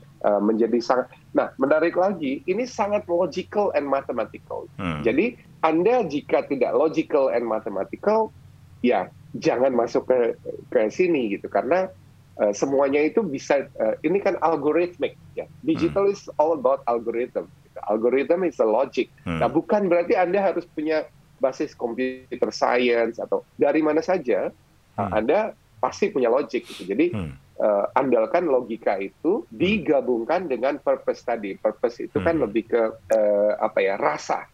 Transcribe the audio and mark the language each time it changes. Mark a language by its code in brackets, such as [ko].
[id] Menjadi sangat, nah menarik lagi, ini sangat [en] logical and mathematical. [id] Jadi Anda jika tidak [en] logical and mathematical, [id] ya jangan masuk ke sini gitu, karena semuanya itu bisa, ini kan algorithmic ya. [en] Digital is all about algorithm, algorithm is a logic. [id] Nah bukan berarti Anda harus punya basis computer science atau dari mana saja, Anda pasti punya logic gitu. Jadi andalkan logika itu digabungkan dengan purpose tadi. Purpose itu kan lebih ke rasa.